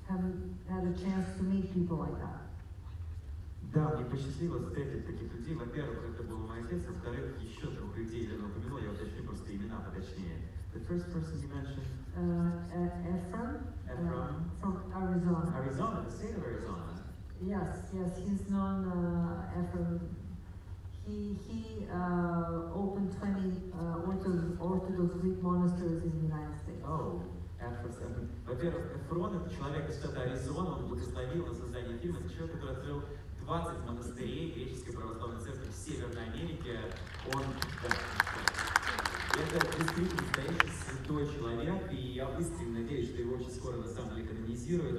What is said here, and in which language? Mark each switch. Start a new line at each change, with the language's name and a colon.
English: I haven't had a chance to meet people like that.
Russian: Да, мне посчастливилось встретить таких людей. Во-первых, это был мой отец, во-вторых, еще двух людей, я упомянул, я уточню просто имена поточнее.
English: The first person you mentioned? Ephrem. From Arizona. Arizona, the state of Arizona. Yes, he's known Ephrem. He opened 20 Orthodox Greek monasteries in the United States. Oh.
Russian: Во-первых, Эфрон — это человек из штата Аризона, он благословил на создание фильма, это человек, который открыл 20 монастырей греческой православной церкви в Северной Америке. Он это действительно настоящий святой человек, и я искренне надеюсь, что его очень скоро на самом деле канонизируют.